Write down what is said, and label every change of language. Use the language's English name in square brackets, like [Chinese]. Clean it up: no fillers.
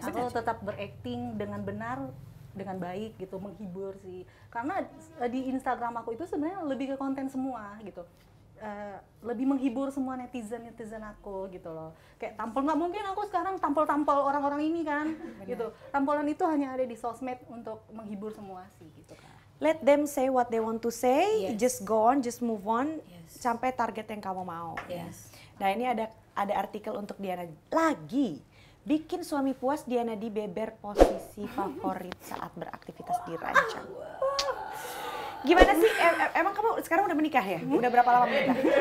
[Indonesian] Aku tetap berakting dengan benar, dengan baik gitu, menghibur sih. Karena di Instagram aku itu sebenarnya lebih ke konten semua gitu. Lebih menghibur semua netizen-netizen aku gitu loh. Kayak tampol nggak mungkin aku sekarang tampol-tampol orang-orang ini kan. Benar. Gitu. Tampolan itu hanya ada di sosmed untuk menghibur semua sih gitu kan. [English] Let them say what they want to say, yes. Just go on, just move on, yes. [Indonesian] Sampai target yang kamu mau. [English] Yes. [Indonesian] Nah, ini ada artikel untuk Diana lagi. Bikin suami puas, Diana di beber posisi favorit saat beraktivitas di ranjang. Gimana sih? Emang kamu sekarang udah menikah ya? Udah berapa lama menikah?